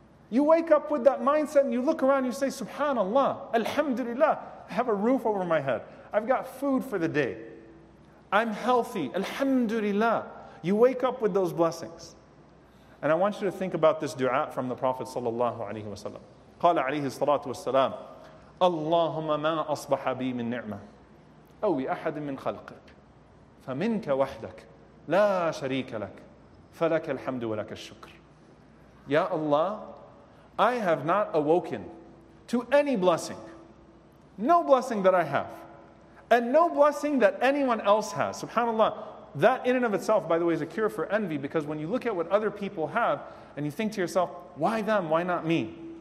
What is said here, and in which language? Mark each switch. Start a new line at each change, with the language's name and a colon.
English: You wake up with that mindset and you look around and you say, SubhanAllah, Alhamdulillah, I have a roof over my head. I've got food for the day. I'm healthy, Alhamdulillah. You wake up with those blessings. And I want you to think about this dua from the Prophet sallallahu alaihi wasallam.
Arabic: قَالَ عَلَيْهِ الصَّلَاةُ وَالسَّلَامُ اللَّهُمَّ مَا أَصْبَحَ بِي مِنْ نِعْمَةٍ أو أحد من خلقك فمنك وحدك لا شريك لك فلك الحمد ولك الشكر.
English: Ya Allah, I have not awoken to any blessing, no blessing that I have, and no blessing that anyone else has. SubhanAllah, that in and of itself, by the way, is a cure for envy, because when you look at what other people have and you think to yourself, why them, why not me?